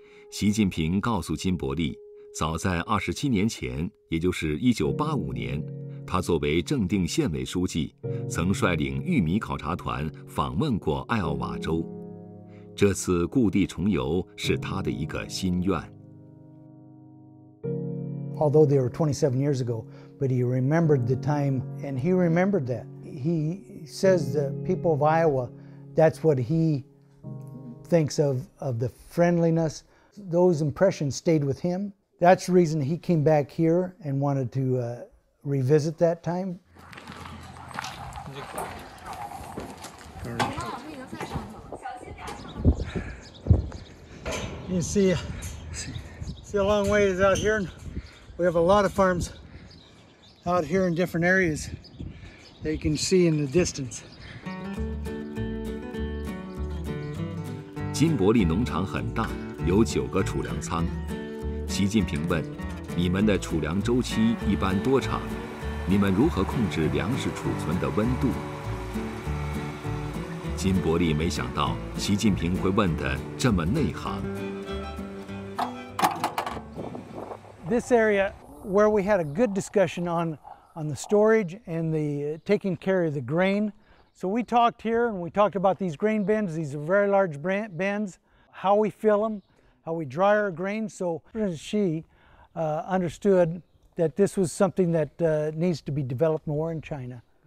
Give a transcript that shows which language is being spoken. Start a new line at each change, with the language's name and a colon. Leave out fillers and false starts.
Chinese: 习近平告诉金伯利，早在27年前，也就是1985年，他作为正定县委书记，曾率领玉米考察团访问过艾奥瓦州。这次故地重游是他的一个心愿。
English: Although they were 27 years ago, but he remembered the time, and he remembered that. He says the people of Iowa, that's what he thinks of the friendliness. Those impressions stayed with him. That's the reason he came back here and wanted to revisit that time. You see a long ways out here. We have a lot of farms out here in different areas that you can see in the distance.
Chinese: 金伯利农场很大，有9个储粮仓。习近平问：“你们的储粮周期一般多长？你们如何控制粮食储存的温度？” 金伯利没想到习近平会问得这么内行。
English: This area where we had a good discussion on the storage and the taking care of the grain. So we talked here and we talked about these grain bins. These are very large bins, how we fill them, how we dry our grain. So she understood that this was something that needs to be developed more in China.